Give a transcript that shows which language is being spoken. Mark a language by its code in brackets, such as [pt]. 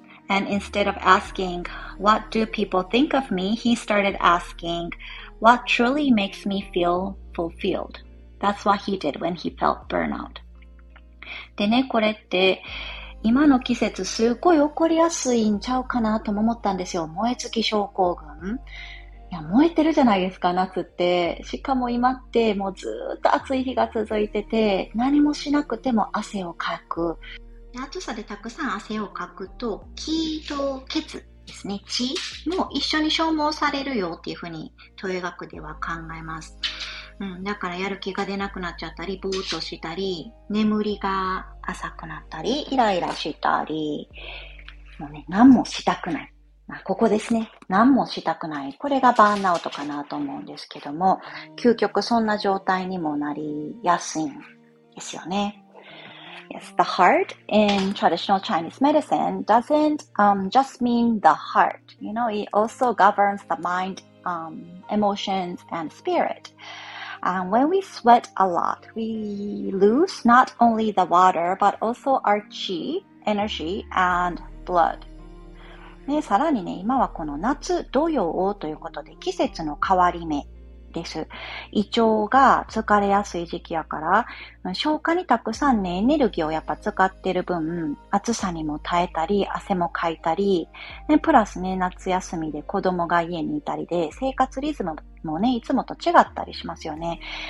[en] And instead of asking, what do people think of me? He started asking, what truly makes me feel fulfilled? That's what he did when he felt burnout. [ja] でね、これって今の季節すっごい起こりやすいんちゃうかなとも思ったんですよ。燃え尽き症候群。いや、燃えてるじゃないですか、夏って。しかも今ってもうずーっと暑い日が続いてて、何もしなくても汗をかく。暑さでたくさん汗をかくと気と血ですね、血も一緒に消耗されるよっていうふうに東洋医学では考えます、だからやる気が出なくなっちゃったり、ぼーっとしたり、眠りが浅くなったり、イライラしたり、もうね、何もしたくない、まあ、ここですね、何もしたくない、これがバーンアウトかなと思うんですけども、究極そんな状態にもなりやすいんですよね。 [en] Yes, the heart in traditional Chinese medicine doesn't, just mean the heart. You know, it also governs the mind, emotions and spirit. When we sweat a lot, we lose not only the water, but also our chi, energy, and blood. [ja] ね、さらにね、今はこの夏同様ということで季節の変わり目です。胃腸が疲れやすい時期やから、消化にたくさんね、エネルギーをやっぱ使ってる分、暑さにも耐えたり、汗もかいたり、ね、プラスね、夏休みで子供が家にいたりで、生活リズムもね、いつもと違ったりしますよね。